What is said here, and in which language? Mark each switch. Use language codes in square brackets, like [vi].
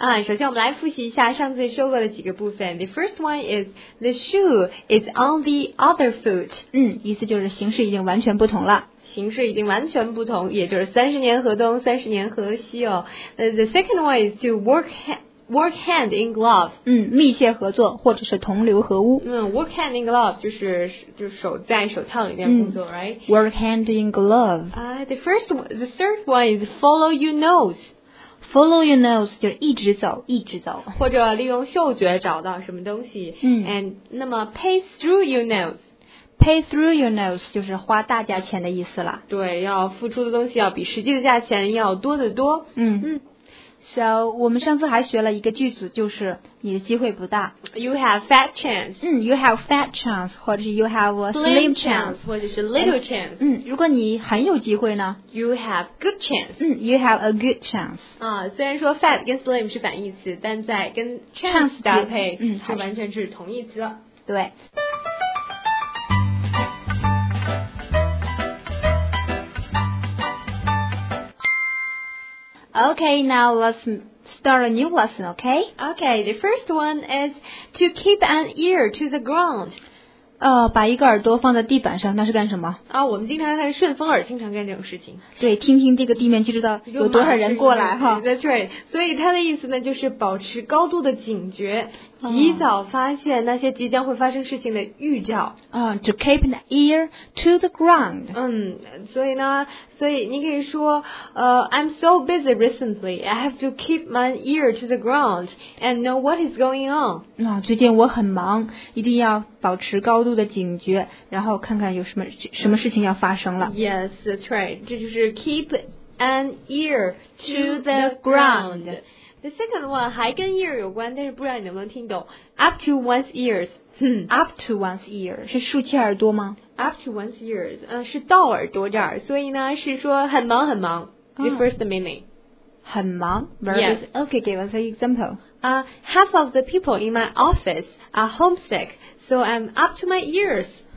[zh] 首先我们来复习一下上次说过的几个部分。 [en] The first one is the shoe is on the other foot. [zh] 意思就是形式已经完全不同了。形式已经完全不同，也就是三十年河东，三十年河西哦。 [en] The second one is to work hand in glove. [zh] 密切合作或者是同流合污。 [en] Work hand in glove [zh] 就是手在手套里面工作， [en] right? Work hand in glove. The third one is follow your nose. Follow your nose [zh] 就是一直走，一直走。或者利用嗅觉找到什么东西。 [en] And [zh] 那么 [en] pace through your nose. Pay through your nose [zh] 就是花大价钱的意思了。对，要付出的东西要比实际的价钱要多得多。 [en] So, [zh] 我们上次还学了一个句子，就是你的机会不大。 [en] You have fat chance. You have fat chance, 或者是 you have a slim chance, 或者是 little chance. [zh] 如果你很有机会呢？ [en] You have good chance. You have a good chance. [zh] 虽然说 fat 跟 slim 是反义词，但在跟 [en] chance [zh] 搭配，是完全是同义词。对。 [en] Okay, now let's start a new lesson, okay? Okay, the first one is to keep an ear to the ground. [zh] 把一个耳朵放在地板上，那是干什么？我们经常看顺风耳，经常干这种事情。对，听听这个地面就知道有多少人过来哈。 [en] That's right. [zh] 所以它的意思呢，就是保持高度的警觉，及早发现那些即将会发生事情的预兆。 [en] To keep an ear to the ground. [zh] 所以你可以说 [en] I'm so busy recently, I have to keep my ear to the ground and know what is going on. [zh] 最近我很忙，一定要保持高度的警觉，然后看看有什么事情要发生了。 [en] Yes, that's right. [zh] 这就是 [en] keep an ear to the ground. The second one [zh] 还跟 ear 有关，但是不知道你能不能听懂。 [en] Up to one's ears. Up to one's ear [zh] 是竖起耳朵吗？ [en] Up to one's ears [zh] 是到耳朵这儿，所以呢是说很忙很忙。 [en] The first meaning. [zh] 很忙。 [en] Yes. Okay, give us an example. Half of the people in my office are homesick, so I'm up to my ears.